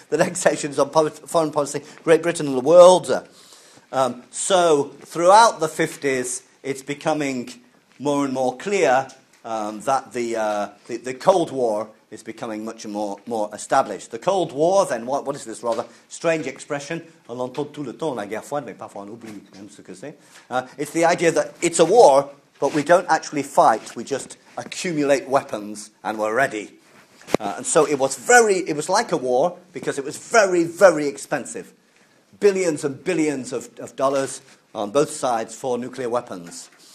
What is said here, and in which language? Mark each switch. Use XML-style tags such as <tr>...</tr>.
<en>The next section is on foreign policy, Great Britain and the world. So throughout the 50s, it's becoming more and more clear that the Cold War is becoming much more established. The Cold War, then, what is this rather strange expression?</en> <fr>On entend tout le temps la guerre froide, mais parfois on oublie même ce que c'est.</fr> <en>It's the idea that it's a war, but we don't actually fight. We just accumulate weapons and we're ready. And so it was like a war because it was very, very expensive. Billions and billions of dollars on both sides for nuclear weapons.</en>